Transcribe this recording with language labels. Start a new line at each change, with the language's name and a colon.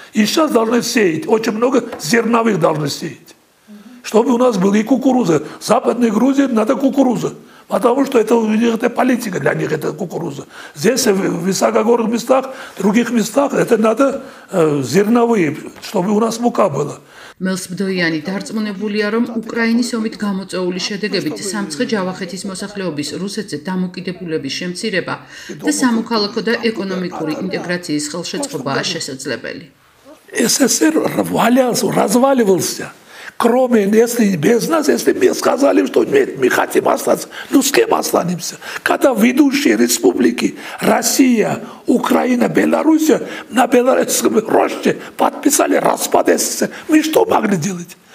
Russian: И сейчас должны сеять. Очень много зерновых должны сеять. Чтобы у нас была и кукуруза. Западной Грузии надо кукуруза. Потому что это у них это политика для них, это кукуруза. Здесь, в высокогорных местах, в других местах, это надо зерновые, чтобы у нас мука была.
Georgian: Мелс Мдояни დარწმუნებულია, რომ უკრაინის ომით გამოწვეული შედეგებით სამცხე-ჯავახეთის მოსახლეობის რუსეთზე დამოკიდებულების შემცირება და სამოქალაქო და ეკონომიკური ინტეგრაციის ხელშეწყობაა შესაძლებელი.
Russian: СССР развалился. Кроме, если без нас, если мы сказали, что нет, мы хотим остаться, ну с кем останемся? Когда ведущие республики Россия, Украина, Белоруссия на Белорусском роще подписали распад СССР, мы что могли делать?